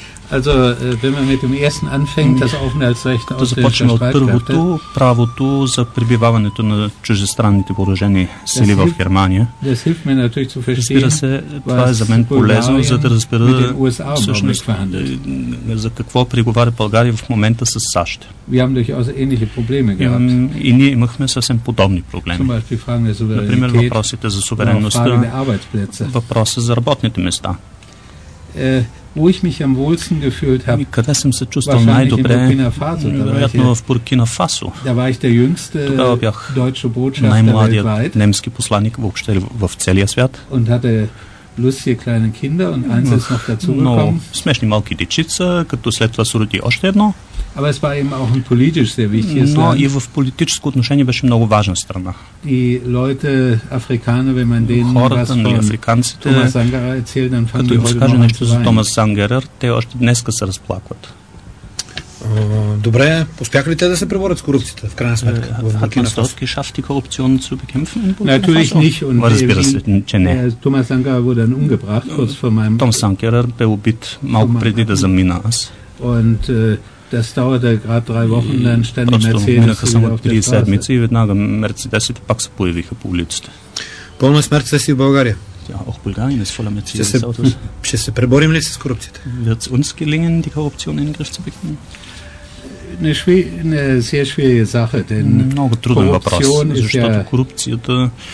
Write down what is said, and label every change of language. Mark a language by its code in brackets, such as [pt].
[de] Also, wenn man mit dem ersten anfängt, das Aufenthaltsrecht auf der Straße. Das [bg] първото правото за пребиваването на чуждестранните въоръжени сили в Германия. [de] Das hilft mir natürlich zu verstehen. [bg] Това е за мен полезно, за да разбера всъщност за какво преговаря България в момента с САЩ. [de] Wir haben durchaus ähnliche Probleme gehabt. [bg] И ние имахме съвсем подобни проблеми. Например, въпросите за суверенността, въпроса за работните места. [de] Wo ich mich am wohlsten gefühlt habe. [bg] Къде съм се чувствал най-добре? Вероятно в Буркина Фасо. [de] Da war ich der jüngste deutsche Botschafter. [bg] Най-младият немски посланик въобще в целия свят. [de] Und hatte lustige kleine Kinder und eins ist noch dazu gekommen. [bg] Смешни малки дечица, като след това суроди още едно. [de] Aber es war eben auch ein politisch sehr wichtiges [bg] land. Но и в политическо отношение беше много важна страна. [de] Die Leute Afrikaner, wenn man denen was von Thomas Sangerer erzählt, dann fangen die heute noch an zu weinen. [bg] Томас Сангерер, те още днеска се разплакват. Добре, успяха ли те да се преборят с корупцията в крайна сметка? [de] Hat man es dort geschafft, die Korruption zu bekämpfen? Natürlich nicht. [bg] Разбира се, че не. [de] Томас Сангерер wurde dann umgebracht, kurz vor meinem... [bg] Томас Сангерер бе убит малко преди да замина аз. [de] Und... Das dauerte gerade 3 Wochen, dann stand die Mercedes wieder auf der Straße. [bg] И веднага Мерцедесите пак се появиха по улиците. Пълно с Мерцедеси в България. [de] Auch Bulgarien ist voller Mercedes Autos. [bg] Ще се преборим ли с корупцията? [de] Wird es uns gelingen, die Korruption in den Griff zu bekommen? Eine sehr schwierige Sache, denn [bg] много труден въпрос, защото корупцията